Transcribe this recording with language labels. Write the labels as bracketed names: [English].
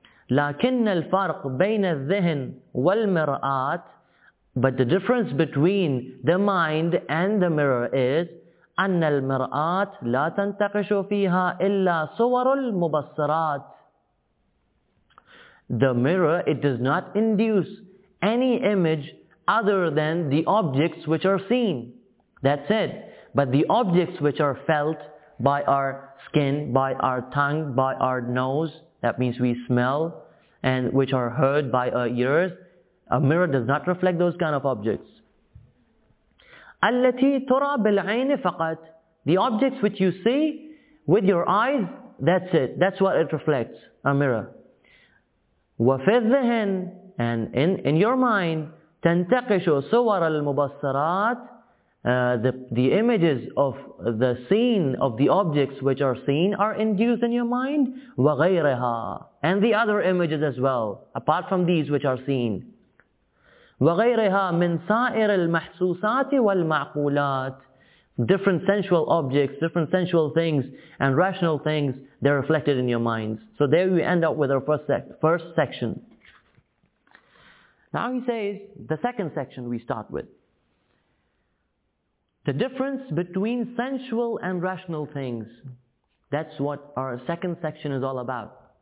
[Arabic] لكن الفرق بين الذهن والمرآة, [English] but the difference between the mind and the mirror is [Arabic] أن المرآة لا تنتقش فيها إلا صور المبصرات. [English] The mirror, it does not induce any image other than the objects which are seen. That's it. But the objects which are felt by our skin, by our tongue, by our nose, that means we smell, and which are heard by our ears, a mirror does not reflect those kind of objects. [Arabic] التي ترى بالعين فقط. [English] The objects which you see with your eyes, that's it. That's what it reflects, a mirror. [Arabic] وفي الذهن, [English] and in your mind, [Arabic] تنتقش صور المبصرات, [English] the images of the seen, of the objects which are seen, are induced in your mind, [Arabic] وغيرها, [English] and the other images as well, apart from these which are seen. [Arabic] وغيرها من سائر المحسوسات والمعقولات. [English] Different sensual objects, different sensual things, and rational things, they're reflected in your minds. So there we end up with our first section. Now he says, the second section we start with. The difference between sensual and rational things. That's what our second section is all about.